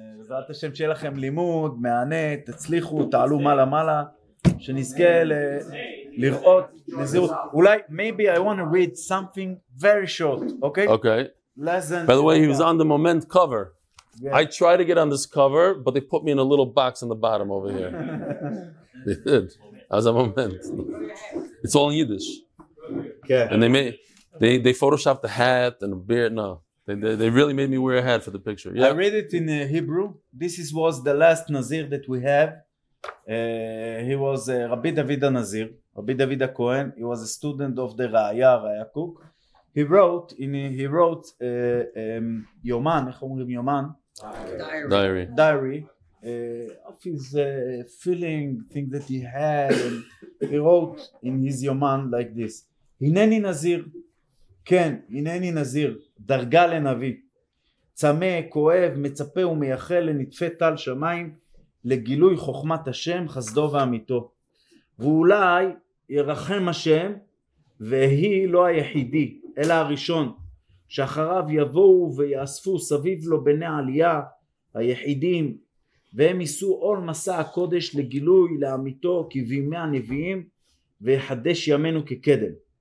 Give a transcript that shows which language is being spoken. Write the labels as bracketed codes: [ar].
[he] בעזרת השם שיהיה לכם לימוד, מענה, תצליחו, תעלו מעלה, שנזכה לראות נזירות. אולי, [en] maybe I want to read something very short, okay? Okay. Lesson. By the way, he was on the Moment cover. Yeah. I tried to get on this cover, but they put me in a little box on the bottom over here. They did. As a Moment. It's all in Yiddish. Okay. And they photoshopped the hat and the beard, no. They really made me wear a hat for the picture. Yep. I read it in Hebrew. This was the last Nazir that we have. He was Rabbi David HaNazir, Rabbi David HaKohen. He was a student of the Raya, Raya Kuk. He wrote Yoman, how do you say Diary. Diary. Of his feeling, things that he had. And he wrote in his Yoman like this. [he] Hineni Nazir. כן, הנני נזיר, דרגה לנביא, צמא, כואב, מצפה ומייחל לנטפי טל שמיים, לגילוי חוכמת השם, חסדו ואמיתו. ואולי ירחם השם, והיא לא היחידי, אלא הראשון, שאחריו יבואו ויאספו סביב לו בני עלייה היחידים, והם יישאו עול מסע הקודש לגילוי לאמיתו כבימי הנביאים, ויחדש ימינו כקדם.